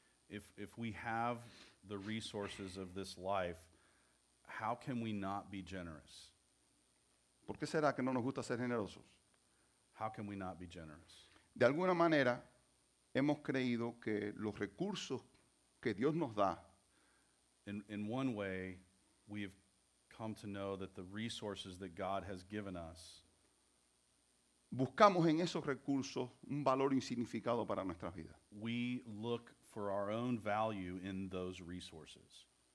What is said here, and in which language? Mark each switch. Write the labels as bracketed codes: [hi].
[en] If we have the resources of this life, how can we not be generous? [es] ¿Por qué será que no nos gusta ser generosos? [en] How can we not be generous? [es] De alguna manera, hemos creído que los recursos que Dios nos da. [en] In one way, we have come to know that the resources that God has given us. [es] Buscamos en esos recursos un valor insignificado para nuestras vidas. [en] We look for our own value in those resources.